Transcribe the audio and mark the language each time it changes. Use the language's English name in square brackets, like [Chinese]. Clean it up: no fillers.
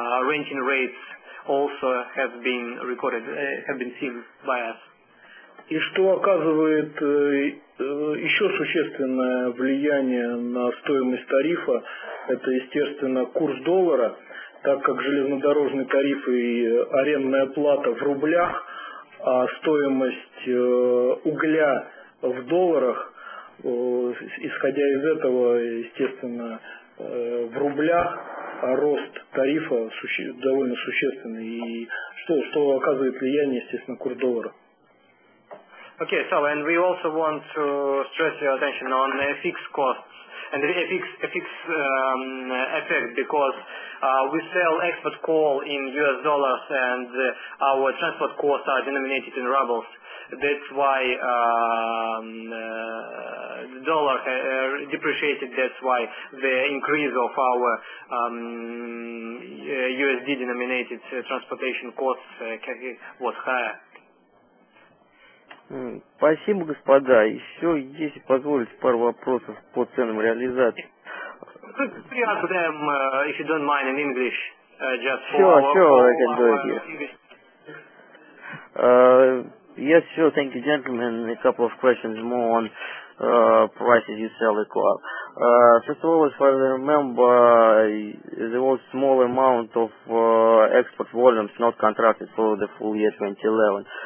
[English] Renting rates also have been recorded, have been seen by us. [Russian] И что оказывает еще существенное влияние на стоимость тарифа, это, естественно, курс доллара, так как железнодорожный тариф и арендная плата в рублях, а стоимость угля в долларах, исходя из этого, естественно, в рублях, а рост тарифа довольно существенный. И что оказывает влияние, естественно, курс доллара. [English] Okay, so and we also want to stress your attention on FX costs and the FX effect, because we sell export coal in US dollars and our transport costs are denominated in rubles. That's why the dollar depreciated. That's why the increase of our USD-denominated transportation costs was higher. [Russian] Спасибо, господа. Еще, если позволите, пару вопросов по ценам реализации. [English] Please ask them, if you don't mind, in English, just sure, for... Sure, I can do it, yes, sure, thank you, gentlemen. A couple of questions more on prices you sell the car. First of all, as far as I remember, there was a small amount of export volumes not contracted for the full year 2011.